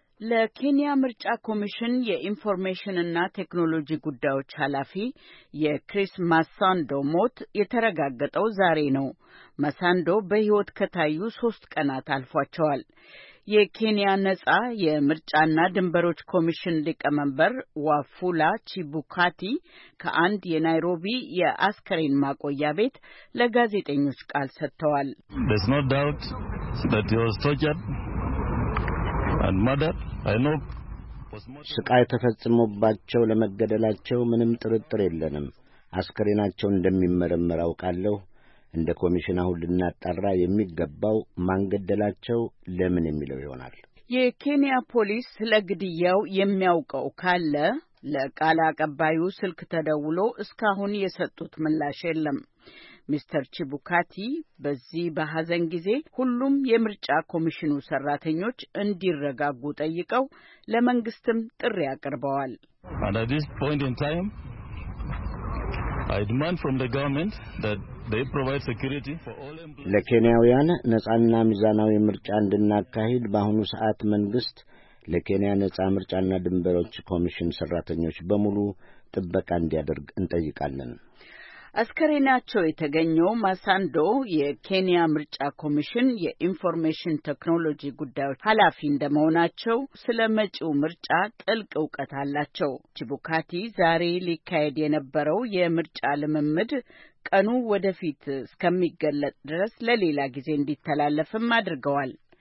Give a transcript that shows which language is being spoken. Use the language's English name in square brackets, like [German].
[Amharic] ለኬንያ ምርጫ ኮሚሽን የኢንፎርሜሽንና ቴክኖሎጂ ጉዳዮች ኃላፊ የክሪስ ማሳንዶ ሞት የተረጋገጠው ዛሬ ነው። ማሳንዶ በሕይወት ከታዩ 3 ቀናት አልፏቸዋል። የኬንያ ነጻ የምርጫና ድንበሮች ኮሚሽን ሊቀመንበር ዋፉላ ቺቡካቲ ከአንድ የናይሮቢ የአስከሬን ማቆያ ቤት ለጋዜጠኞች ቃል ሰጥተዋል። [English] There's no doubt that he was tortured. And mother, I know. [Amharic] ስቃይ ተፈጽሞባቸው ለመገደላቸው ምንም ጥርጥር የለንም። አስከሬናቸው እንደሚመረመር አውቃለሁ። እንደ ኮሚሽን አሁን ልናጣራ የሚገባው ማንገደላቸው ለምን የሚለው ይሆናል። የኬንያ ፖሊስ ለግድያው የሚያውቀው ካለ ለቃል አቀባዩ ስልክ ተደውሎ እስካሁን የሰጡት ምላሽ የለም። ሚስተር ቺቡካቲ በዚህ በሐዘን ጊዜ ሁሉም የምርጫ ኮሚሽኑ ሰራተኞች እንዲረጋጉ ጠይቀው ለመንግስትም ጥሪ አቀርበዋል። [English] And at this point in time I demand from the government that they provide security for all employees. [Amharic] ለኬንያውያን ነጻና ሚዛናዊ ምርጫ እንድናካሂድ በአሁኑ ሰዓት መንግስት ለኬንያ ነጻ ምርጫና ድንበሮች ኮሚሽን ሰራተኞች በሙሉ ጥበቃ እንዲያደርግ እንጠይቃለን። አስከሬናቸው የተገኘው ማሳንዶ የኬንያ ምርጫ ኮሚሽን የኢንፎርሜሽን ቴክኖሎጂ ጉዳዮች ኃላፊ እንደመሆናቸው ስለመጪው ምርጫ ጥልቅ እውቀት አላቸው። ቺቡካቲ ዛሬ ሊካሄድ የነበረው የምርጫ ልምምድ ቀኑ ወደፊት እስከሚገለጥ ድረስ ለሌላ ጊዜ እንዲተላለፍም አድርገዋል።